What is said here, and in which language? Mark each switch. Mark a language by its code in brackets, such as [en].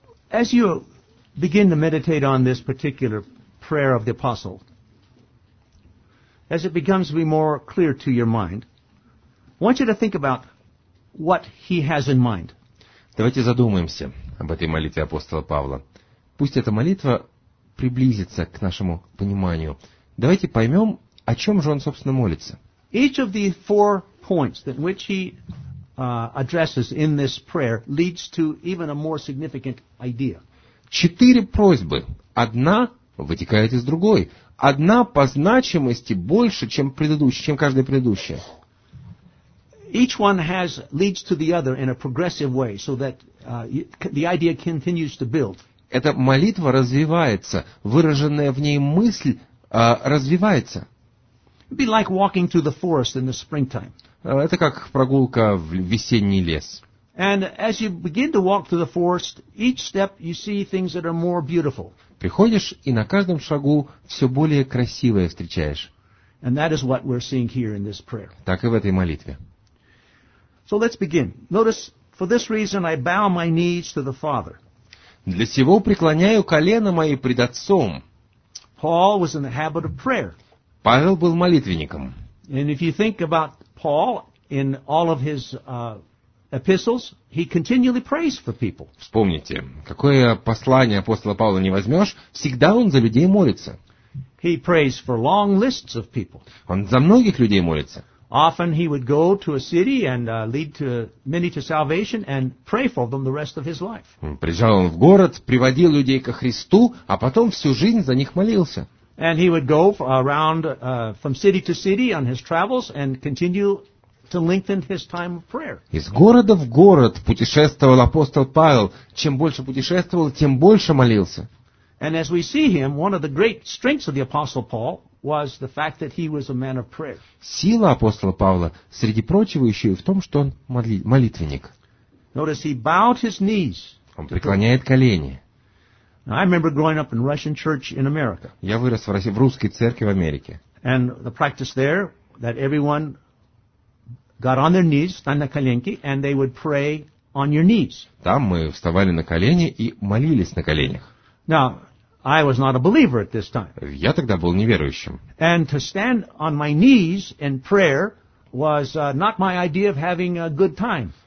[en] As you begin to meditate on this particular prayer of the apostle, as it becomes to be more clear to your mind, I want you to think about what he has in mind. [ru] Давайте задумаемся об этой молитве апостола Павла. Пусть эта молитва приблизится к нашему пониманию. Давайте поймем, о чем же он, собственно, молится. [en] Each of the four points that which he addresses in this prayer leads to even a more significant idea. [ru] Четыре просьбы. Одна вытекает из другой. Одна по значимости больше, чем предыдущая, чем каждая предыдущая. [en] Each one has leads to the other in a progressive way, so that the idea continues to build. [ru] Эта молитва развивается, выраженная в ней мысль развивается. [en] It'd be like walking through the forest in the springtime. [ru] Это как прогулка в весенний лес. [en] And as you begin to walk through the forest, each step you see things that are more beautiful. [ru] Приходишь и на каждом шагу все более красивое встречаешь. [en] And that is what we're seeing here in this prayer. [ru] Так и в этой молитве. [en] So let's begin. Notice, for this reason I bow my knees to the Father. [ru] Для сего преклоняю колено мое пред Отцом. [en] Paul was in the habit of prayer. [ru] Павел был молитвенником. [en] And if you think about Paul in all of his epistles, he continually prays for people. [ru] Вспомните, какое послание апостола Павла не возьмешь, всегда он за людей молится. [en] He prays for long lists of people. [ru] Он за многих людей молится. [en] Often he would go to a city and lead to many to salvation and pray for them the rest of his life. [ru] Приезжал он в город, приводил людей ко Христу, а потом всю жизнь за них молился. [en] And he would go around from city to city on his travels and continue to lengthen his time of prayer. [ru] Из города в город путешествовал апостол Павел. Чем больше путешествовал, тем больше молился. [en] And as we see him, one of the great strengths of the apostle Paul was the fact that he was a man of prayer. [ru] Сила апостола Павла, среди прочего, еще и в том, что он молитвенник. [en] Notice he bowed his knees. [ru] Он преклоняет колени. [en] Now, I remember growing up in Russian church in America. [ru] Я вырос в русской церкви в Америке. [en] And the practice there that everyone got on their knees, [ru] встань на коленки, [en] and they would pray on your knees. [ru] Там мы вставали на колени и молились на коленях. [en] Now, I was not a believer at this time. [ru] Я тогда был неверующим. [en] And to stand on my knees in prayer was not my idea of having a good time.